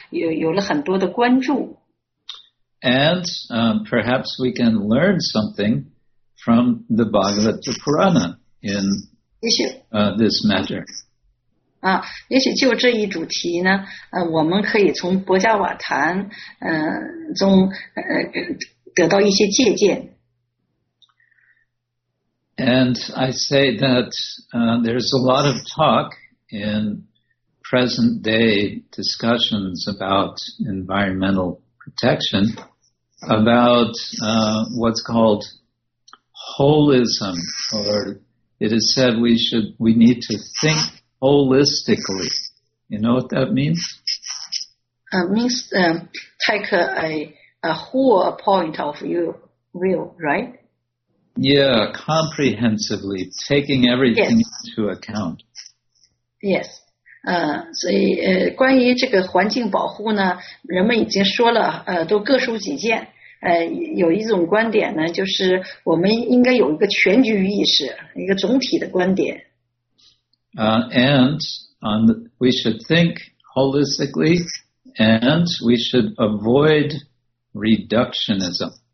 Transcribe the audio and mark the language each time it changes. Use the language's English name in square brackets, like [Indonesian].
[Chinese] 我首先提到了现在人们对这个环境的破坏呢有了很多的关注。 [English] And perhaps we can learn something from the Bhagavata Purana in this matter. [Chinese] 也许就这一主题呢，我们可以从《博迦瓦谭》中得到一些借鉴。 [English] And I say that there's a lot of talk in present day discussions about environmental protection, about what's called holism, or it is said we need to think holistically. You know what that means? Means take a whole point of view, right? Yeah, comprehensively, taking everything yes. into account. Yes. [Chinese] 所以关于这个环境保护呢，人们已经说了，都各抒己见。有一种观点呢，就是我们应该有一个全局意识，一个总体的观点。 [English] We should think holistically, and we should avoid reductionism.